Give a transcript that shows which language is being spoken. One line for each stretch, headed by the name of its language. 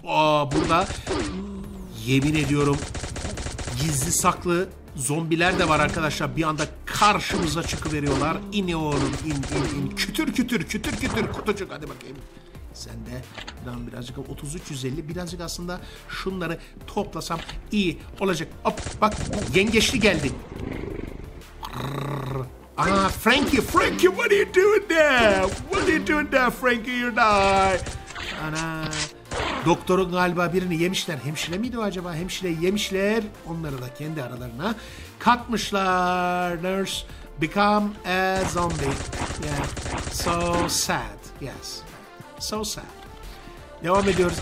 Turkish: Aa, burada yemin ediyorum gizli saklı zombiler de var arkadaşlar. Bir anda karşımıza çıkıveriyorlar. İniyorum. İn. Kütür. Kutucuk hadi bakayım. Sen de birazcık 33-150 birazcık aslında şunları toplasam iyi olacak. Hop bak yengeçli geldi.
English: Aa, Frankie what are you doing there? What are you doing there Frankie, you die.
Turkish: Ana doktorun galiba birini yemişler. Hemşire miydi o acaba? Hemşireyi yemişler. Onları da kendi aralarına katmışlar. Nurse
English: become a zombie. Yeah. So sad. Yes. So sad.
Turkish: Devam ediyoruz.